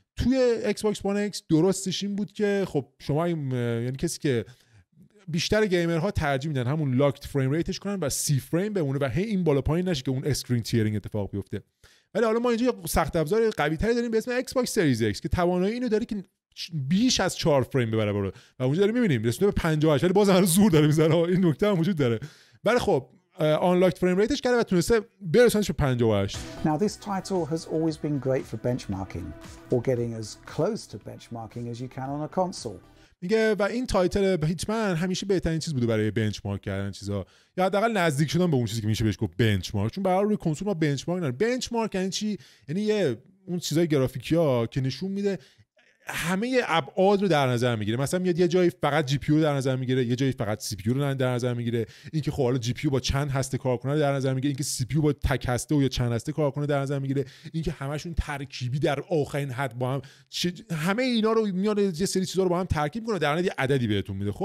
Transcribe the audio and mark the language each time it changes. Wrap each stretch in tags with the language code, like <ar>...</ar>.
<fa>توی ایکس باکس مون ایکس درستش این بود که خب شما یعنی کسی که بیشتر گیمرها ترجیح میدن همون لاکت فریم ریتش کنن و 30 فریم بمونه و هی این بالا پایین نشه که اون اسکرین تیرینگ اتفاق بیفته. ولی حالا ما اینجا سخت افزار قوی تری داریم به اسم ایکس باکس سریز ایکس که توانایی اینو داره که بیش از 4 فریم ببره برو و اونجا داریم میبینیم رسونده به 58، ولی باز هم زور داره میزنه، این نکته هم وجود داره. ولی خب آنلاکت فریم ریتش کرده و تونسته برسونش به 58.</fa> <en>Now this title has always been great for benchmarking or getting as close to benchmarking as you can on a console.</en> <fa>میگه و این تایتل هیتمن همیشه بهترین چیز بوده برای بنچمارک کردن چیزا، یا حداقل نزدیک شدن به اون چیزی که میشه بهش گفت بنچمارک، چون برای روی کنسول ما بنچمارک نداره. بنچمارک یعنی چی؟ یعنی یه اون چیزای گرافیکی ها که نشون میده همه ابعاد رو در نظر میگیره، مثلا میاد یه جایی فقط جی پی یو در نظر میگیره، یه جایی فقط سی پی یو رو در نظر میگیره، اینکه خب حالا جی پی یو با چند هسته کار کنه در نظر میگیره، اینکه سی پی یو با تک هسته و یا چند هسته کار کنه در نظر میگیره، اینکه همشون ترکیبی در آخرین حد با هم همه اینا رو میاد یه سری چیزا رو با هم ترکیب میکنه در نهایت یه عددی بهتون میده.</fa>